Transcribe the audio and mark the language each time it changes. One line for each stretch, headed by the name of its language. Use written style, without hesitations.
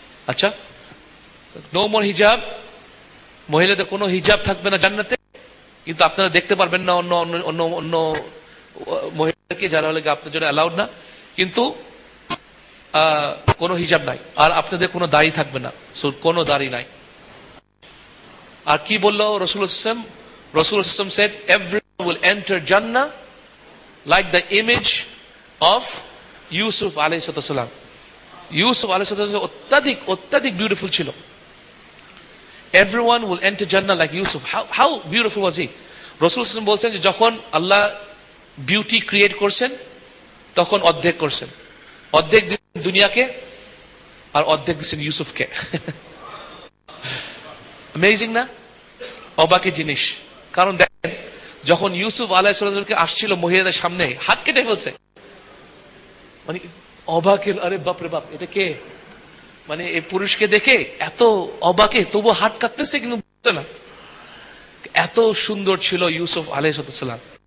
Bangla: আচ্ছা,
English: no more হিজাব,
Bangla: মহিলাদের কোনো হিজাব থাকবে না জান্নাতে, কিন্তু আপনারা দেখতে পারবেন না অন্য অন্য অন্য অন্য মহিলাকে, যারা হলে আপনার জন্য অ্যালাউড না, কিন্তু কোনো হিজাব নাই, আর আপনাদের কোনো দাড়ি থাকবে না, কোনো দাড়ি নাই। আর কি বলল রাসূলুল্লাহ
English: said, everyone will enter জান্নাহ like the image of
Bangla: Yusuf আলাইহিসসালাম। ইউসুফ আলাইহিসসালাম অত্যাধিক অত্যাধিক বিউটিফুল ছিল,
English: Everyone will enter Jannah like Yusuf. How beautiful was he?
Bangla: Rasul Sallam বলছেন যে যখন আল্লাহ বিউটি ক্রিয়েট করছেন তখন অর্ধেক করছেন, অর্ধেক দিচ্ছেন দুনিয়াকে আর অর্ধেক দিচ্ছেন ইউসুফকে। অ্যামেজিং না? অবাকি জিনিস। কারণ দেখেন যখন ইউসুফ আলাইহিসসালামকে আসছিল মহিলাদের সামনে হাত কেটে ফেলছে, মানে অবাকের, আরে বাপরে বাপ এটা কে, মানে এই পুরুষকে দেখে এত অবাকে, তবু হাট কাটতেছে কিন্তু বুঝতে না, এত সুন্দর ছিল ইউসুফ আলাইহিসসালাম।